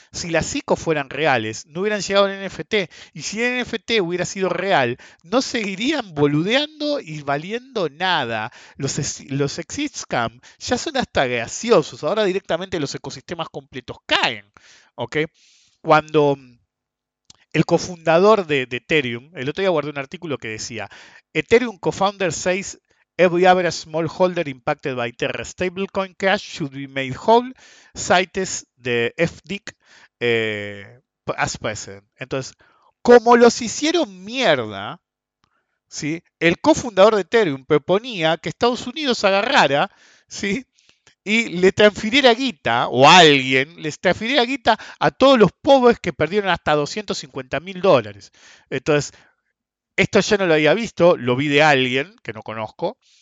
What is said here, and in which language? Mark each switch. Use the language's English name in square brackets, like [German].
[Spanish] Si las SICO fueran reales, no hubieran llegado al NFT. Y si el NFT hubiera sido real, no seguirían boludeando y valiendo nada. Los exit scam ya son hasta graciosos. Ahora directamente los ecosistemas completos caen, ¿okay? Cuando el cofundador de Ethereum, el otro día guardé un artículo que decía, [English] Ethereum co-founder 6. Every average small holder impacted by Terra stablecoin crash should be made whole, cites the FDIC as precedent. [Spanish] Entonces, como los hicieron mierda, ¿sí? El cofundador de Ethereum proponía que Estados Unidos agarrara, ¿sí? Y le transfiriera guita, o alguien, le transfiriera guita a todos los pobres que perdieron hasta 250 mil dólares. Entonces, esto yo no lo había visto, lo vi de alguien que no conozco.